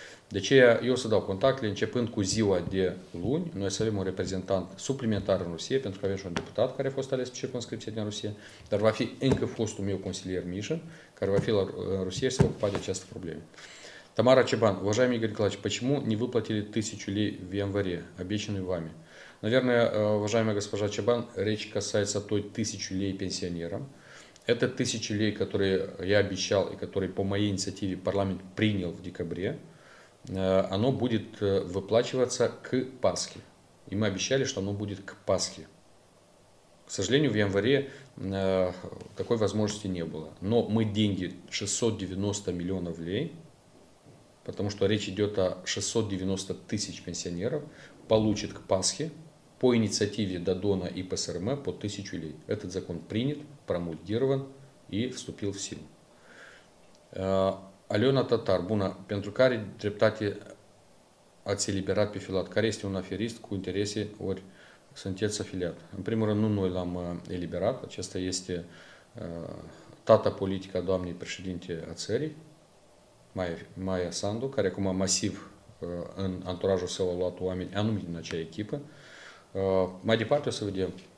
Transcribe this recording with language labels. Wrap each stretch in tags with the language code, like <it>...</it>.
<ro>De ce eu să dau contactele începând cu ziua de luni, noi să avem un reprezentant suplimentar în Rusie, pentru că avem și un deputat care a fost ales pe circunscripție din Rusie, dar va fi încă fostul meu consilier Mișin, care va fi la Rusie și se ocupa de această problemă. Tamara Ceban,</ro> <ru>уважаемый Игорь Николаевич, почему не выплатили 1000 лей в январе, обещанную вами? Наверное, уважаемая госпожа Чебан, речь касается той 1000 лей пенсионерам. Это 1000 лей, которые я обещал и которые по моей инициативе парламент принял в декабре, оно будет выплачиваться к Пасхе. И мы обещали, что оно будет к Пасхе. К сожалению, в январе такой возможности не было. Но мы деньги 690 миллионов лей потому что речь идет о 690 тысяч пенсионеров, получит к Пасхе по инициативе Дадона и ПСРМ по 1000 лей. Этот закон принят, промульгирован и вступил в силу.</ru> <ro>Алена Татар, Буна, pentru care dreptate ați eliberat pe Filat? Care este un aferist cu interese, ori sunteți afiliat? În primul rând, nu noi l-am eliberat. Acesta este tata politică a doamnei președinte a țării, Maia Sandu, care acum masiv în anturajul său a luat oameni anume din acea echipă. Mai departe o să vedem.</ro>